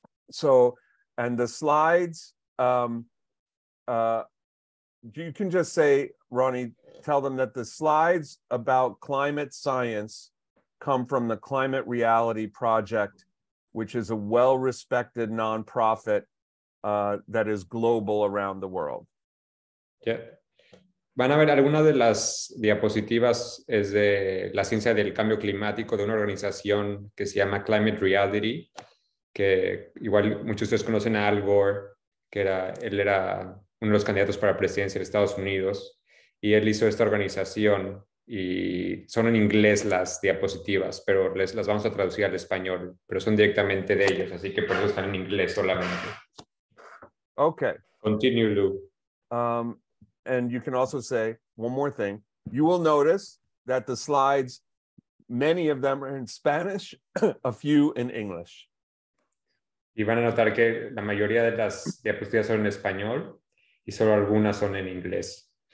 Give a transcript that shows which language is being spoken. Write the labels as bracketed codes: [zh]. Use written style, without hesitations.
[en] So, and the slides, you can just say, Ronnie, tell them that the slides about climate science come from the Climate Reality Project, which is a well-respected nonprofit that is global around the world. Yeah. [es] Van a ver, algunas de las diapositivas es de la ciencia del cambio climático de una organización que se llama Climate Reality, que igual muchos de ustedes conocen a Al Gore, que era, él era uno de los candidatos para presidencia de Estados Unidos, y él hizo esta organización, y son en inglés las diapositivas, pero las vamos a traducir al español, pero son directamente de ellos, así que por eso están en inglés solamente. [en] Okay. Continue, Lu. And you can also say one more thing. You will notice that the slides, many of them are in Spanish, a few in English. [es] Y van a notar que la mayoría de las diapositivas son en español y solo algunas son en inglés.